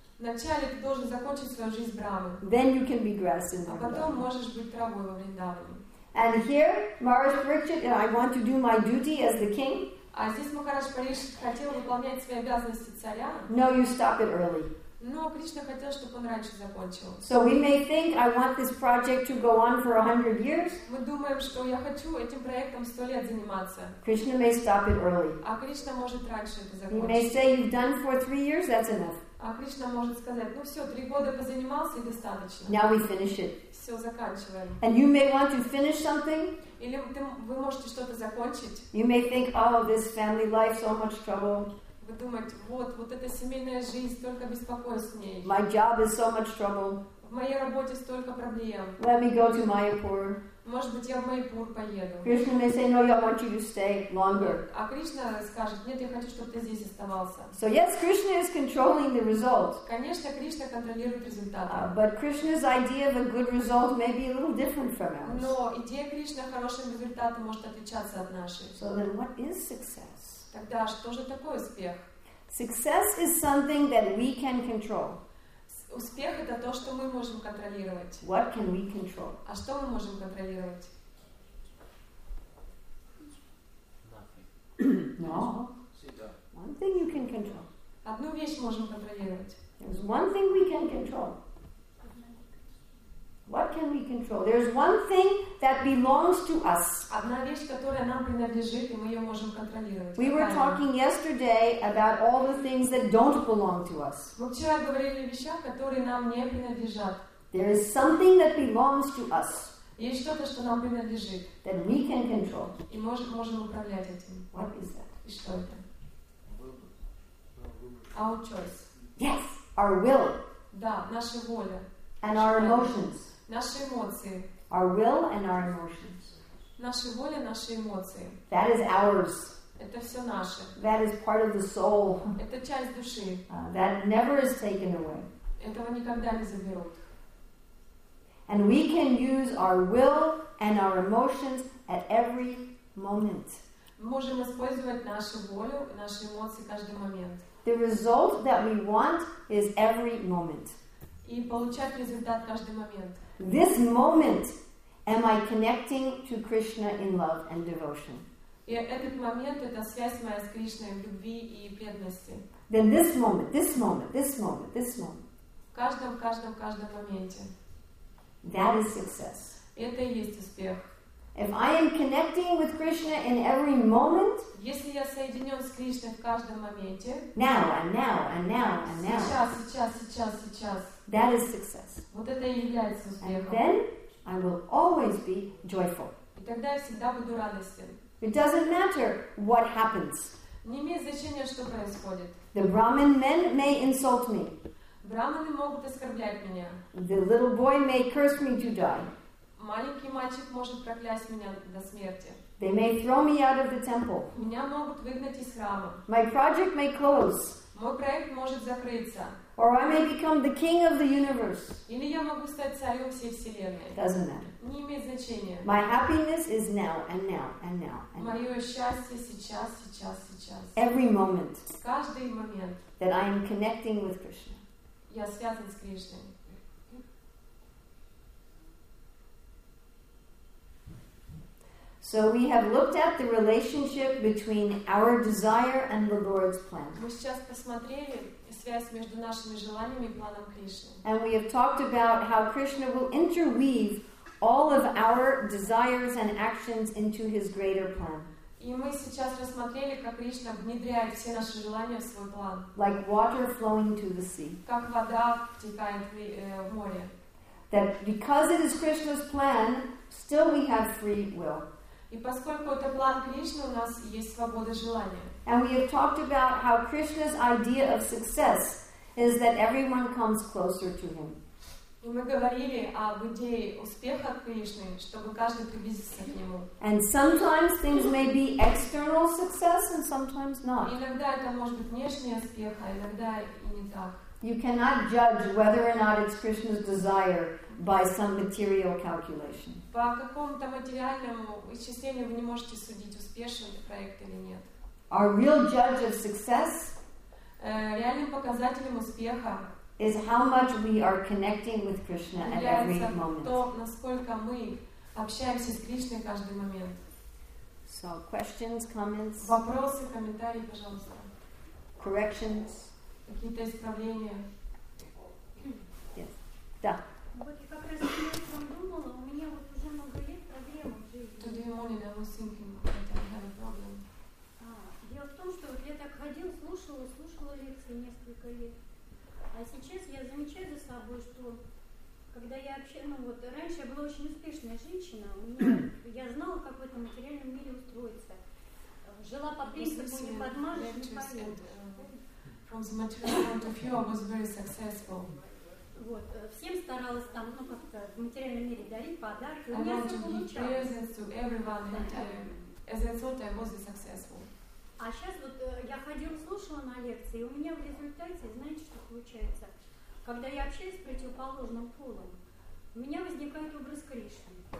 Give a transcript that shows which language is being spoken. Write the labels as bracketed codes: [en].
[ru] Вначале ты должен закончить свою жизнь Брамой. [en] Then you can be grass in [ru] Vrindavan. А потом можешь быть травой во Вриндаване. [en] And here, Maharaj Parikshit, and I want to do my duty as the king. [ru] А здесь Махарадж Парикшит хотел выполнять свои обязанности царя. [en] No, you stop it early. [ru] Но Кришна хотел, чтобы он раньше закончил. [en] So we may think, I want this project to go on for 100 years. [ru] Мы думаем, что я хочу этим проектом 100 лет заниматься. [en] Krishna may stop it early. [ru] А Кришна может раньше это закончить. [en] He may say, you've done for 3 years, that's enough. [ru] А Кришна может сказать, ну все, 3 года позанимался и достаточно. [en] Now we finish it. [ru] Все, заканчиваем. [en] And you may want to finish something. [ru] Или вы можете что-то закончить. [en] You may think, oh, this family life, so much trouble. [ru] Вы думаете, вот эта семейная жизнь, столько беспокойств в ней. [en] My job is so much trouble. [ru] В моей работе столько проблем. [en] Let me go to Mayapur. [ru] Может быть, я в Майпур поеду. [en] Krishna may say, no, I want you to stay longer. [ru] А Кришна скажет, нет, я хочу, чтобы ты здесь оставался. [en] So yes, Krishna is controlling the result. [ru] Конечно, Кришна контролирует результаты. [en] But Krishna's idea of a good result may be a little different from ours. [ru] Но идея Кришны о хорошем результате может отличаться от нашей. [en] So then what is success? [ru] Тогда что же такое успех? [en] Success is something that we can control. [ru] Успех это то, что мы можем контролировать. [en] What can we control? [ru] А что мы можем контролировать? [en] Nothing. No. [ru] Всегда. [en] One thing you can control. [ru] Одну вещь можем контролировать. [en] There's one thing we can control. What? Money. What can we control? There's one thing that belongs to us. [ru] Одна вещь, которая нам принадлежит, и мы ее можем контролировать. [en] We were talking yesterday about all the things that don't belong to us. [ru] Мы вчера говорили о вещах, которые нам не принадлежат. [en] There is something that belongs to us. [ru] Есть что-то, что нам принадлежит. [en] That we can control. [ru] И можем управлять этим. [en] What is that? [ru] И что это? [en] Our choice. Yes, our will. [ru] Да, наша воля. [en] And our emotions. [ru] Наши эмоции. [en] Our will and our emotions. [ru] Наша воля, наши эмоции. [en] That is ours. [ru] Это все наше. [en] That is part of the soul. [ru] Это часть души. [en] That never is taken away. [ru] Этого никогда не заберут. [en] And we can use our will and our emotions at every moment. [ru] Можем использовать нашу волю и наши эмоции каждый момент. [en] The result that we want is every moment. [ru] И получать результат каждый момент. [en] This moment, am I connecting to Krishna in love and devotion? [ru] И этот момент, это связь моя с Кришной в любви и преданности. [en] Then this moment, this moment, this moment, this moment. [ru] В каждом моменте. [en] That is success. [ru] Это и есть успех. [en] If I am connecting with Krishna in every moment, [ru] если я соединен с Кришной в каждом моменте, [en] now and now and now and now, [ru] сейчас, [en] that is success. [ru] Вот это и является успехом. [en] And then I will always be joyful. [ru] И тогда я всегда буду радостен. [en] It doesn't matter what happens. [ru] Не имеет значения, что происходит. [en] The Brahmin men may insult me. [ru] Брахманы могут оскорблять меня. [en] The little boy may curse me to die. [ru] Маленький мальчик может проклясть меня до смерти. [en] They may throw me out of the temple. [ru] Меня могут выгнать из храма. [en] My project may close. [ru] Мой проект может закрыться. [en] Or I may become the king of the universe. [ru] Или я могу стать царем всей вселенной. [en] Doesn't matter. [ru] Не имеет значения. [en] My happiness is now and now and now and now. [ru] Мое счастье сейчас. [en] Every moment. [ru] Каждый момент. [en] That I am connecting with Krishna. [ru] Я связан с Кришной. [en] So we have looked at the relationship between our desire and the Lord's plan. [ru] Мы сейчас посмотрели связь между нашими желаниями и планом Кришны. [en] And we have talked about how Krishna will interweave all of our desires and actions into his greater plan. [ru] И мы сейчас рассмотрели, как Кришна внедряет все наши желания в свой план. [en] Like water flowing to the sea. [ru] Как вода текает в море. [en] That because it is Krishna's plan, still we have free will. [ru] И поскольку это план Кришны, у нас есть свобода желания. [en] And we have talked about how Krishna's idea of success is that everyone comes closer to him. [ru] И мы говорили об идее успеха Кришны, чтобы каждый приблизился к нему. [en] And sometimes things may be external success and sometimes not. [ru] Иногда это может быть внешний успех, а иногда и не так. [en] You cannot judge whether or not it's Krishna's desire by some material calculation. [ru] По какому-то материальному исчислению вы не можете судить, успешен проект или нет. [en] Our real judge of success [ru] реальным показателем успеха [en] is how much we are connecting with Krishna at every moment. [ru] То, насколько мы общаемся с Кришной каждый момент. [en] So, questions, comments? [ru] Вопросы, комментарии, пожалуйста. [en] Corrections? [ru] Какие-то исправления? [en] Yes. [ru] Да. Вот я как раз о чём думала, у меня вот уже много лет проблем в жизни. [en] Today morning I was thinking about a problem. [ru] Дело в том, что вот я так ходила, слушала лекции несколько лет. А сейчас я замечаю за собой, что когда я общалась, вот раньше я была очень успешная женщина, я знала, как в этом материальном мире устроиться. Жила по принципу «не подмажешь, не помнешь». [en] From the material point of view, I was very successful. [ru] Вот, всем старалась там, ну, как-то в материальном мире дарить подарки, у меня все получалось. [en] I wanted to be present to everyone, as I thought I was successful. [ru] А сейчас вот я ходила, слушала на лекции, и у меня в результате, знаете, что получается? Когда я общаюсь с противоположным полом, у меня возникает образ Кришны.